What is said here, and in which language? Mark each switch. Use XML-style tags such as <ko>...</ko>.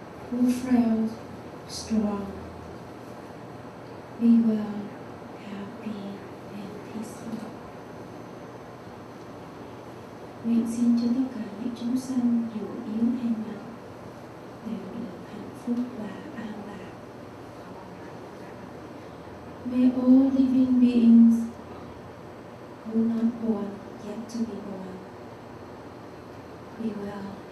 <en>who frail, strong, be well, happy, and peaceful.</en> <vi>Nguyện xin cho tất cả những chúng sanh dù yếu hay mạnh đều được hạnh phúc và an lạc.</vi> <en>May all living beings who are not born yet to be born be well.</en>